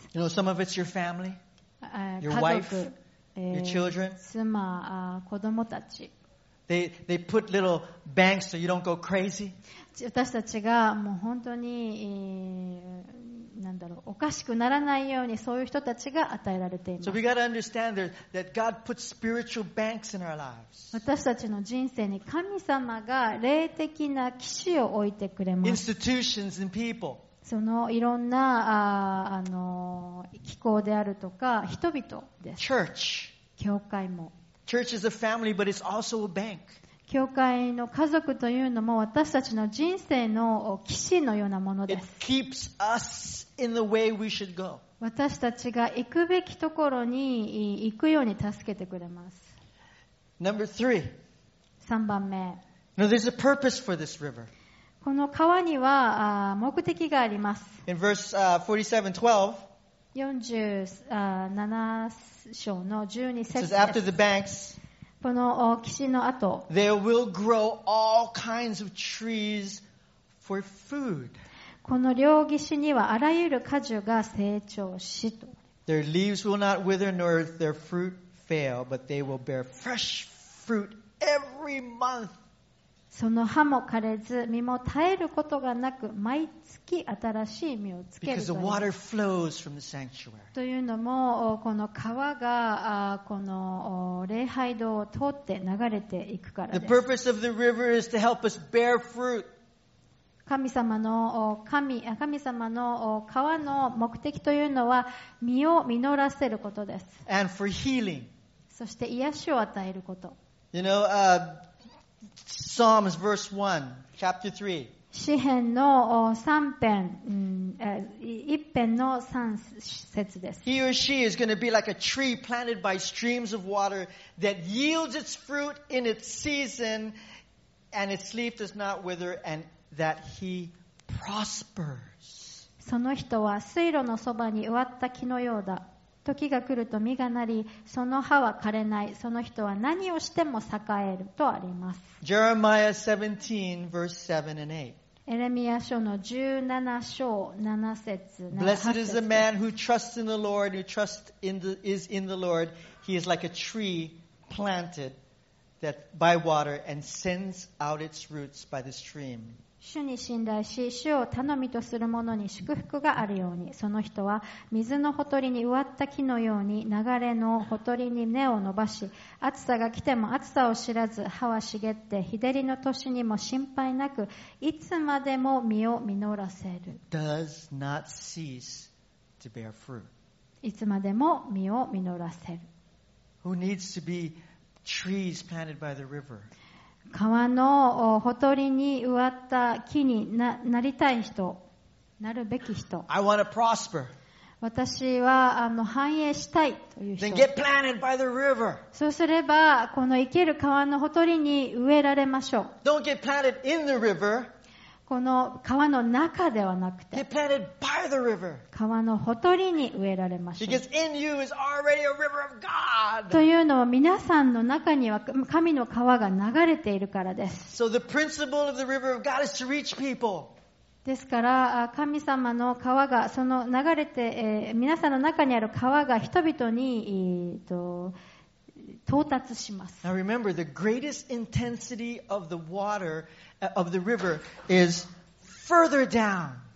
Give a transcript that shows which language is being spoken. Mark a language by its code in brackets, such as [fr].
[en] You know, some of it's your family, your wife, your children. [ja] 妻、子供たち。 [en] They put little banks so you don't go crazy. [ja] 私たちがもう本当に、おかしくならないようにそういう人たちが与えられています。 [en] So we got to understand that God puts spiritual banks in our lives. [ja] 私たちの人生に神様が霊的な基礎を置いてくれます。 [en] Institutions and people. [ja] そのいろんな機構であるとか人々です。 [en] Church. [ja] 教会も。 [en] Church is a family, but it's also a bank. [ja] 教会の家族というのも私たちの人生の基礎のようなものです。 [en] It keeps us in the way we should go. [ja] 私たちが行くべきところに行くように助けてくれます。 [en] Number three. [ja] 3番目。 [en] Now there's a purpose for this river. [ja] この川には目的があります。 [en] In verse [ja] 47:12, 47章の12節です。 [en] It says after the banks, [ja] この岸の後、 [en] there will grow all kinds of trees for food. [ja] この両岸にはあらゆる果樹が成長しと。 [en] Their leaves will not wither nor their fruit fail, but they will bear fresh fruit every month. [ja] その葉も枯れず、実も絶えることがなく、毎月新しい実をつけるという。 [en] Because the water flows from the sanctuary. [ja] というのも、この川がこの礼拝堂を通って流れていくからです。 [en] The purpose of the river is to help us bear fruit. [ja] 神様の川の目的というのは実を実らせることです。 [en] And for healing. [ja] そして癒しを与えること。 [en] You know, Psalms verse 1, chapter 3. [ja] 詩編の3編、1編の3節です。 [en] He or she is going to be like a tree planted by streams of water that yields its fruit in its season and its leaf does not wither andThat he prospers. [ja] その人は水路のそばに植わった木のようだ。時が来ると実がなり、その葉は枯れない。その人は何をしても栄えるとあります。 [en] Jeremiah 17, verse 7 and 8. [ja] エレミヤ書の17章7節。 [en] Blessed is the man who trusts in the Lord, who trusts in the, is in the Lord. He is like a tree planted that by water and sends out its roots by the stream. [ja] 主に信頼し、主を頼みとする者に祝福があるように、その人は水のほとりに植わった木のように、流れのほとりに根を伸ばし、暑さが来ても暑さを知らず、葉は茂って、日照りの年にも心配なく、いつまでも実を実らせる。 [en] Does not cease to bear fruit. [ja] いつまでも実を実らせる。 [en] Who needs to be trees planted by the river? [ja] 川のほとりに植わった木に なりたい人、なるべき人。 [en] I want to prosper. [ja] 私は繁栄したいという人。 [en] Then get planted by the river. [ja] そうすれば、この生ける川のほとりに植えられましょう。 [en] Don't get planted in the river. [ja] この川の中ではなくて、 [en] get planted by the river. [ja] 川のほとりに植えられましょう。 [en] Because in you is already a river of God. [ja] というのは皆さんの中には神の川が流れているからです。 [en] So the principle of the river of God is to reach people. [ja] ですから神様の川がその流れて、皆さんの中にある川が人々に到達します。 [en] Now remember, the greatest intensity of the water, of the river is further down.